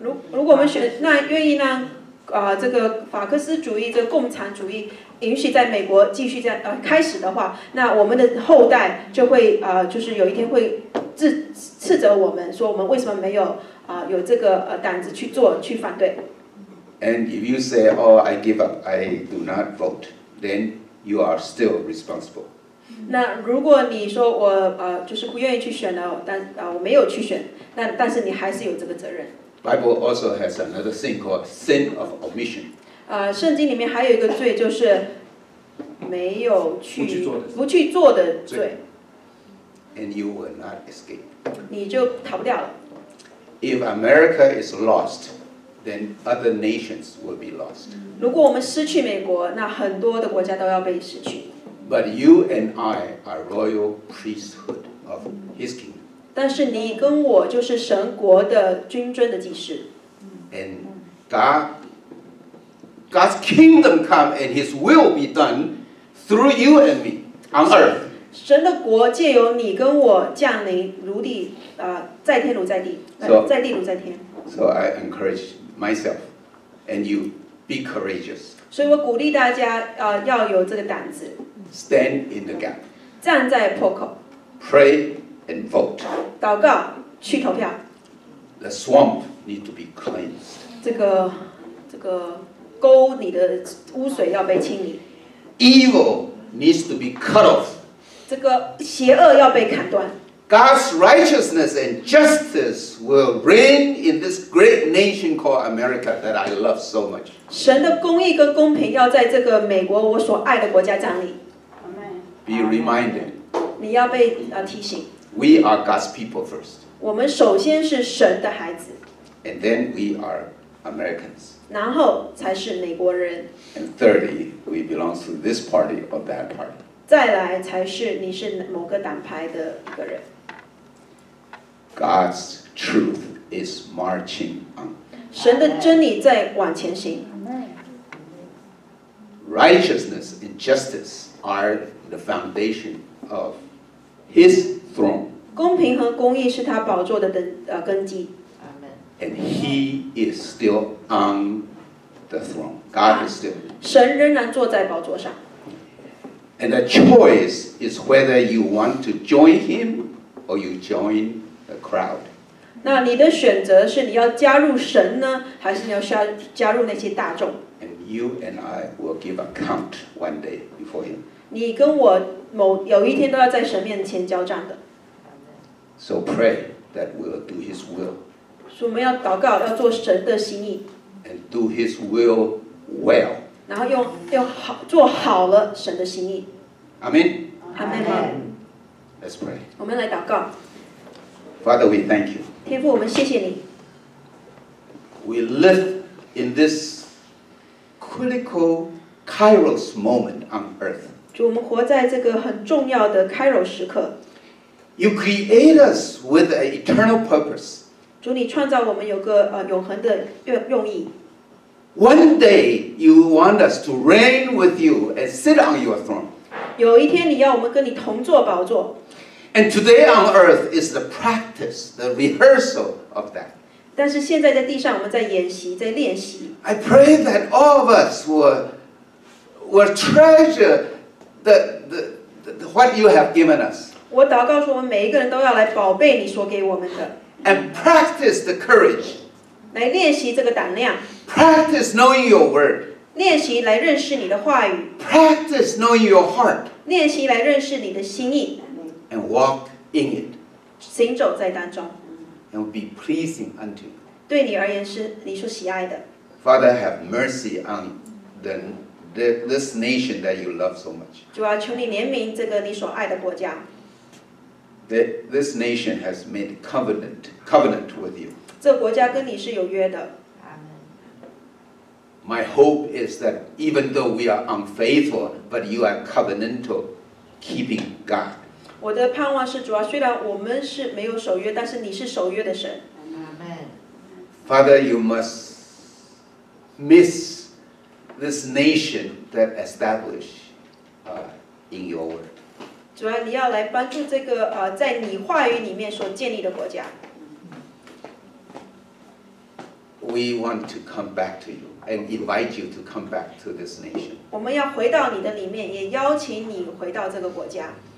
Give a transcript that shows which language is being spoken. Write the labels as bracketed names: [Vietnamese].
[Chinese] 如果我们选那愿意让这个法克斯主义、这个、共产主义允许在美国继续在开始的话，那我们的后代就会就是有一天会斥责我们，说我们为什么没有有这个胆子去做去反对。 [English] And if you say, "Oh, I give up, I do not vote," then you are still responsible. [Chinese] 那如果你说我就是不愿意去选了，但我没有去选，那但是你还是有这个责任。 [English] Bible also has another thing called sin of omission. [Chinese] 圣经里面还有一个罪，就是没有去不去做的罪。 [English] And you will not escape. [Chinese] 你就逃不掉了。 [English] If America is lost, then other nations will be lost. [Chinese] 如果我们失去美国，那很多的国家都要被失去。 [English] But you and I are royal priesthood of His kingdom. [Chinese] 但是你跟我就是神国的君尊的祭司。 [English] And God's kingdom come and His will be done through you and me on earth. [Chinese] 神的国借由你跟我降临，如地在天如在地， [English] so, [Chinese] 在地如在天。 [English] So I encourage myself and you be courageous. [Chinese] 所以我鼓励大家要有这个胆子。 [English] Stand in the gap. [Chinese] 站在破口。 [English] Pray. And vote. [Chinese] 祷告，去投票。 [English] The swamp need to be cleansed. [Chinese] 这个沟，你的污水要被清理。 [English] Evil needs to be cut off. [Chinese] 这个邪恶要被砍断。 [English] God's righteousness and justice will reign in this great nation called America that I love so much. [Chinese] 神的公义跟公平要在这个美国我所爱的国家站立。 [English] Be reminded. [Chinese] 你要被提醒。 [English] We are God's people first. [Chinese] 我们首先是神的孩子。 [English] And then we are Americans. [Chinese] 然后才是美国人。 [English] And thirdly, we belong to this party or that party. [Chinese] 再来才是你是某个党派的一个人。 [English] God's truth is marching on. [Chinese] 神的真理在往前行。 [English] Righteousness and justice are the foundation of His throne. [Chinese] 公平和公义是他宝座的根基。 [English] And he is still on the throne. God is still. [Chinese] 神仍然坐在宝座上。 [English] And the choice is whether you want to join him or you join the crowd. [Chinese] 那你的选择是你要加入神呢，还是你要加入那些大众？ [English] And you and I will give account one day before him. [Chinese] 你跟我有一天都要在神面前交账的。 [English] So pray that we'll do his will. [Chinese] 所以我们要祷告，要做神的心意。 [English] And do his will well. [Chinese] 然后用好做好了神的心意。 [English] Amen. Amen. Let's pray. [Chinese] 我们来祷告。 [English] Father, we thank you. [Chinese] 天父，我们谢谢你。 [English] We live in this critical Kairos moment on earth. [Chinese] 主，我们活在这个很重要的 Kairos 时刻。 [English] You create us with an eternal purpose. [Chinese] 主，你创造我们有个永恒的用意。 [English] One day you want us to reign with you and sit on your throne. [Chinese] 有一天你要我们跟你同坐宝座。 [English] And today on earth is the practice, the rehearsal of that. [Chinese] 但是现在在地上我们在演习，在练习。 [English] I pray that all of us will treasure the what you have given us. [Chinese] 我祷告说，我们每一个人都要来宝贝你所给我们的。 [English] And practice the courage. [Chinese] 来练习这个胆量。 [English] Practice knowing your word. [Chinese] 练习来认识你的话语。 [English] Practice knowing your heart. [Chinese] 练习来认识你的心意。 [English] And walk in it. [Chinese] 行走在当中。 [English] And be pleasing unto you. [Chinese] 对你而言是你所喜爱的。 [English] Father, have mercy on this nation that you love so much. [Chinese] 主啊，求你怜悯这个你所爱的国家。 [English] This nation has made covenant with you. [Chinese] 这国家跟你是有约的。 [English] My hope is that even though we are unfaithful, but you are covenantal, keeping God. [Chinese] 我的盼望是主啊，虽然我们是没有守约，但是你是守约的神。 [English] Father, you must miss this nation that established in your word. [Chinese] 主啊，你要来帮助这个在你话语里面所建立的国家。 [English] We want to come back to you and invite you to come back to this nation. [Chinese] 我们要回到你的里面，也邀请你回到这个国家。